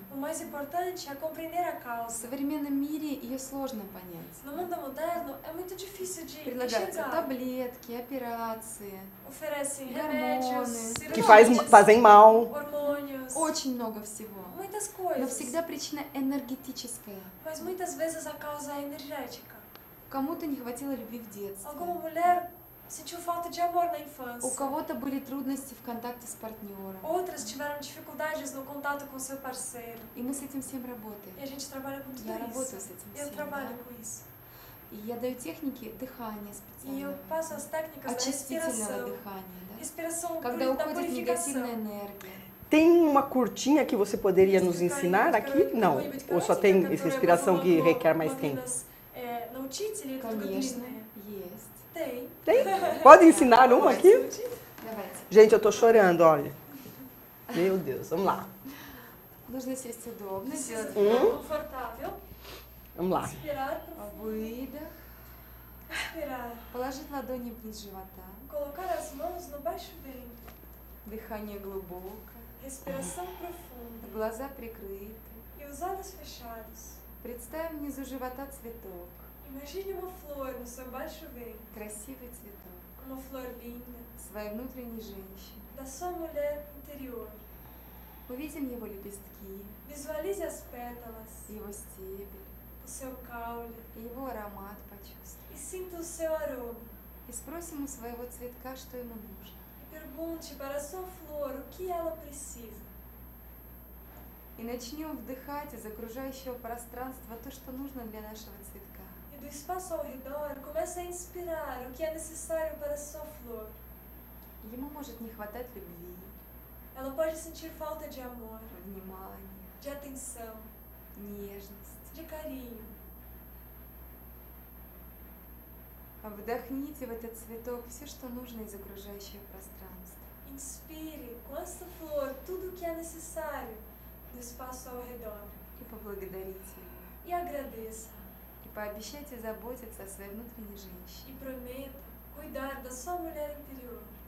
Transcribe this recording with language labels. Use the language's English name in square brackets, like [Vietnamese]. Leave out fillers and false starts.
[Portuguese] O mais importante é compreender a causa. [Russian] В современном мире ее сложно понять. [Portuguese] No mundo moderno é muito difícil de [Russian] предлагаются таблетки, операции, [Portuguese] oferecem remédios, que fazem mal. Hormônios. [Russian] Очень много всего. [Portuguese] Muitas coisas. [Russian] Но всегда причина энергетическая. [Portuguese] Mas muitas vezes a causa é energética. [Russian] Кому-то не хватило любви в детстве. [Portuguese] Alguma mulher sentiu falta de amor na infância. [Russian] У кого-то были трудности в контакте с партнером. [Portuguese] Outras tiveram dificuldades no contato com seu parceiro. [Russian] И мы с этим всем работаем. [Portuguese] E a gente trabalha com tudo isso. [Russian] Я работаю с этим всем. [Portuguese] Eu trabalho com isso. [Russian] И я даю техники дыхания специально. [Portuguese] E eu passo as técnicas da respiração. [Russian] Очистительного дыхания, да? [Portuguese] Respiração pura. [Russian] Когда уходит негативная энергия. [Portuguese] Tem uma curtinha que você poderia nos ensinar aqui? Não. Ou só tem essa respiração que requer mais tempo? [Russian] Научитель это длинное. Есть. [Portuguese] Tem. Pode ensinar uma aqui? [Russian] Давайте. [Portuguese] Gente, eu tô chorando, olha. Meu Deus, vamos lá. [Russian] Нужно сесть удобно, сделать комфортабельно. [Portuguese] Vamos lá. Respirar. [Russian] Выдох. [Portuguese] Respirar. [Russian] Положить ладони вниз живота. [Portuguese] Colocar as mãos no baixo ventre. [Russian] Дыхание глубоко. [Portuguese] Respiração profunda. [Russian] Глаза прикрыты. [Portuguese] И os olhos fechados. [Russian] Представим внизу живота цветок. [Portuguese] Imagine uma flor no seu baixo ventre. [Russian] Красивый цветок. [Portuguese] Uma flor linda. [Russian] Своей внутренней женщины. [Portuguese] Da sua mulher interior. [Russian] Увидим его лепестки. Визуализируй [Portuguese] as pétalas. [Russian] Его стебель. [Portuguese] O seu caule. [Russian] И его аромат почувствуй. [Portuguese] И sinta o seu aroma. [Russian] И спросим у своего цветка, что ему нужно. [Portuguese] И pergunte para a sua flor o que ela precisa. [Russian] и начнем вдыхать из окружающего пространства то, что нужно для нашего цветка. [Portuguese] И do espaço ao redor, começa a inspirar o que é necessário para sua flor. [Russian] Ему может не хватать любви. [Portuguese] Ela pode sentir falta de amor. [Russian] Внимания. [Portuguese] De atenção. [Russian] Нежность. [Portuguese] De carinho. [Russian] Вдохните в этот цветок все, что нужно из окружающего пространства. [Portuguese] Inspire com essa flor tudo o que é necessário do espaço ao redor. [Russian] E поблагодарите. [Portuguese] E agradeça. [Russian] E пообещайте заботиться о своей внутренней женщине. [Portuguese] E prometa cuidar da sua mulher interior.